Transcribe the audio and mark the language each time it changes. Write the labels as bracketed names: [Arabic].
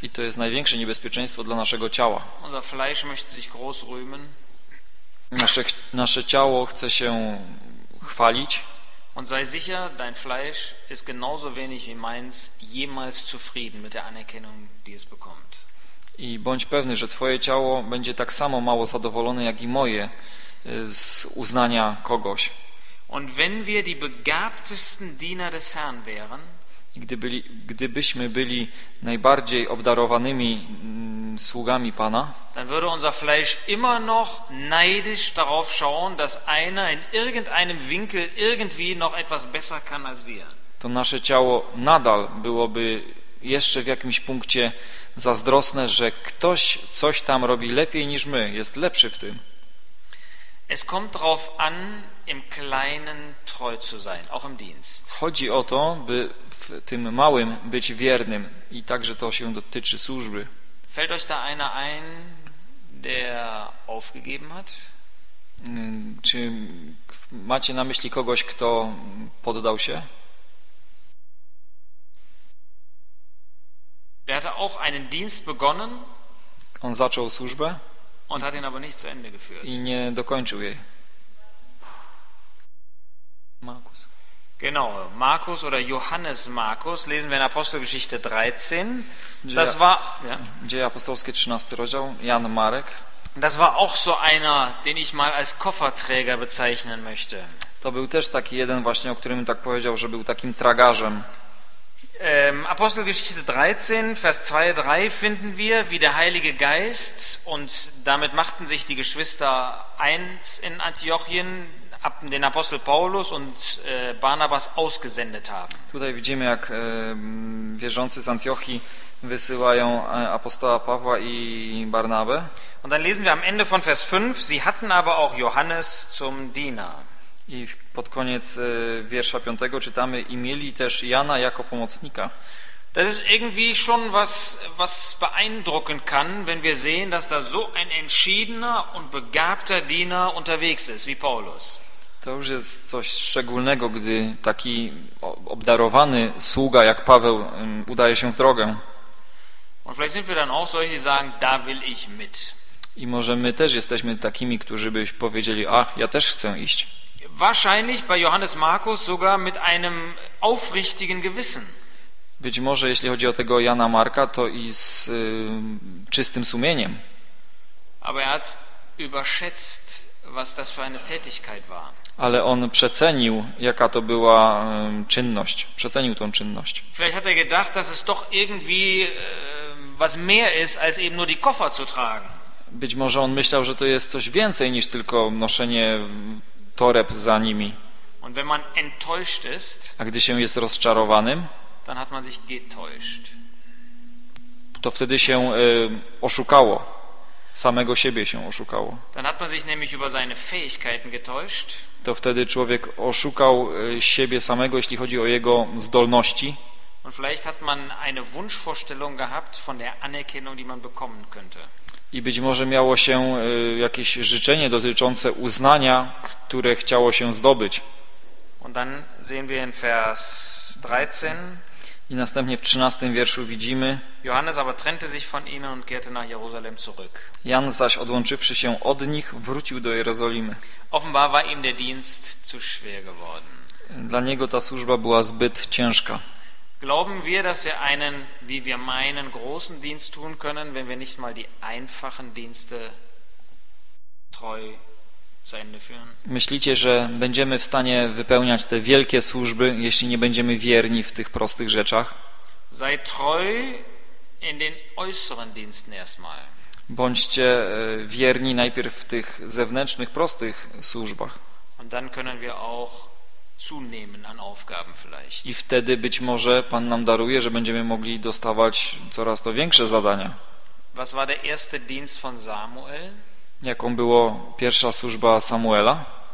[Polish] I to jest największe niebezpieczeństwo dla naszego ciała. [German] Unser Fleisch möchte sich groß rühmen. [Polish] Nasze ciało chce się chwalić. [German] Und sei sicher, dein Fleisch ist genauso wenig wie meins jemals zufrieden mit der Anerkennung, die es bekommt. [Polish] I bądź pewny, że twoje ciało będzie tak samo mało zadowolone jak i moje z uznania kogoś. [German] Und wenn wir die begabtesten Diener des Herrn wären, [Polish] gdybyśmy byli najbardziej obdarowanymi sługami Pana, [German] dann würde unser Fleisch immer noch neidisch darauf schauen, dass einer in irgendeinem Winkel irgendwie noch etwas besser kann als wir. [Polish] To nasze ciało nadal byłoby jeszcze w jakimś punkcie zazdrosne, że ktoś coś tam robi lepiej niż my, jest lepszy w tym. [German] Es kommt drauf an, im Kleinen treu zu sein, auch im Dienst. [Polish] Chodzi o to, by w tym małym być wiernym i także to się dotyczy służby. [German] Fällt euch da einer ein, der aufgegeben hat? [Polish] Czy macie na myśli kogoś, kto poddał się? [German] Der hatte auch einen Dienst begonnen. [Polish] On zaczął służbę. [German] Und hat ihn aber nicht zu Ende geführt. [Polish] I nie dokończył jej. [German] Markus. Genau, Markus oder Johannes Markus, lesen wir in Apostelgeschichte 13. Das war, [Polish] ja. Dzieje apostolskie, 13. rozdział, Jan Marek. [German] Das war auch so einer, den ich mal als Kofferträger bezeichnen möchte. [Polish] To był też taki jeden właśnie, o którym tak powiedział, że był takim tragarzem. [German] Apostelgeschichte 13, Vers 2-3 finden wir, wie der Heilige Geist, und damit machten sich die Geschwister eins in Antiochien, ab den Apostel Paulus und Barnabas ausgesendet haben. [Polish] Tutaj widzimy, jak wierzący z Antiochii wysyłają apostoła Pawła i Barnabę. [German] Und dann lesen wir am Ende von Vers 5, sie hatten aber auch Johannes zum Diener. [Polish] I pod koniec wiersza 5 czytamy i mieli też Jana jako pomocnika. [German] Das ist irgendwie schon was, was beeindrucken kann, wenn wir sehen, dass da so ein entschiedener und begabter Diener unterwegs ist, wie Paulus. [Polish] To już jest coś szczególnego, gdy taki obdarowany sługa jak Paweł udaje się w drogę. [German] Und vielleicht sind wir dann auch solche, die sagen, da will ich mit. [Polish] I może my też jesteśmy takimi, którzy by powiedzieli, ach, ja też chcę iść. [German] Wahrscheinlich bei Johannes Markus sogar mit einem aufrichtigen Gewissen. [Polish] Być może, jeśli chodzi o tego Jana Marka, to i z czystym sumieniem. [German] Aber er hat überschätzt, was das für eine Tätigkeit war. [Polish] Ale on przecenił, jaka to była czynność. Przecenił tą czynność. [German] Vielleicht hat er gedacht, dass es doch irgendwie was mehr ist, als eben nur die Koffer zu tragen. [Polish] Być może on myślał, że to jest coś więcej niż tylko noszenie toreb za nimi. [German] Und wenn man enttäuscht ist, [Polish] a gdy się jest rozczarowanym, [German] dann hat man sich getäuscht. [Polish] To wtedy się oszukało. Samego siebie się oszukało. [German] Dann hat man sich nämlich über seine Fähigkeiten getäuscht. [Polish] To wtedy człowiek oszukał siebie samego, jeśli chodzi o jego zdolności. [German] Und vielleicht hat man eine Wunschvorstellung gehabt von der Anerkennung, die man bekommen könnte. [Polish] I być może miało się jakieś życzenie dotyczące uznania, które chciało się zdobyć. [German] Und dann sehen wir in Vers 13. [Polish] I następnie w 13 wierszu widzimy. [German] Johannes aber trennte sich von ihnen und kehrte nach Jerusalem zurück. [Polish] Jan zaś odłączywszy się od nich, wrócił do Jerozolimy. [German] Offenbar war ihm der Dienst zu schwer geworden. [Polish] Dla niego ta służba była zbyt ciężka. [German] Glauben wir, dass wir einen, wie wir meinen, großen Dienst tun können, wenn wir nicht mal die einfachen Dienste treu zu Ende führen? [Polish] Myślicie, że będziemy w stanie wypełniać te wielkie służby, jeśli nie będziemy wierni w tych prostych rzeczach? [German] Sei treu in den äußeren Diensten erstmal. [Polish] Bądźcie wierni najpierw w tych zewnętrznych, prostych służbach. [German] Und dann können wir auch zunehmen an Aufgaben vielleicht. [Polish] I wtedy być może Pan nam daruje, że będziemy mogli dostawać coraz to większe zadania. [German] Was war der erste Dienst von Samuel? [Polish] Jaką była pierwsza służba Samuela?